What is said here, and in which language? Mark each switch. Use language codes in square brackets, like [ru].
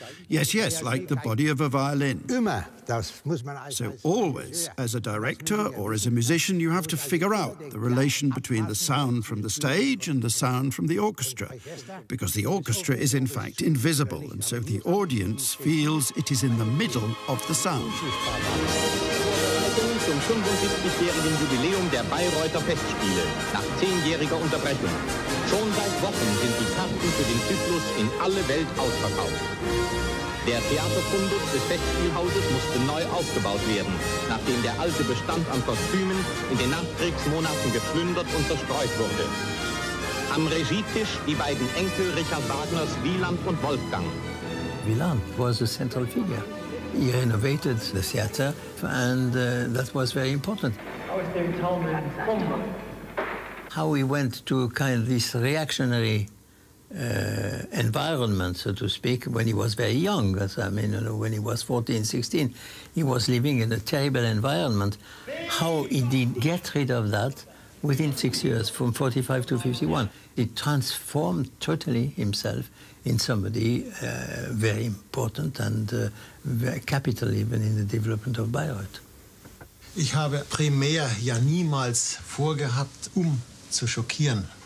[en] Yes, yes, like the body of a violin. So always, as a director or as a musician, you have to figure out the relation between the sound from the stage and the sound from the orchestra, because the orchestra is in fact invisible, and so the audience feels it is in the middle of the sound. [de] Zum 75-jährigen Jubiläum der Bayreuther Festspiele nach 10-jähriger Unterbrechung. Schon seit Wochen sind die Karten für den Zyklus in alle Welt ausverkauft. Der Theaterfundus des Festspielhauses musste neu aufgebaut werden, nachdem der alte Bestand an Kostümen in den Nachkriegsmonaten geplündert und zerstreut wurde. Am Regietisch die beiden Enkel Richard Wagners, Wieland und Wolfgang. [en] Wieland was a central figure. He renovated the theater, and that was very important. How he went to kind of this reactionary environment, so to speak, when he was very young. I mean, you know, when he was 14, 16, he was living in a terrible environment. How he did get rid of that within 6 years, from 45 to 51, he transformed totally himself in somebody very important and very capital even in the development of Bayreuth. [de] Ich habe primär ja niemals vorgehabt, zu schockieren.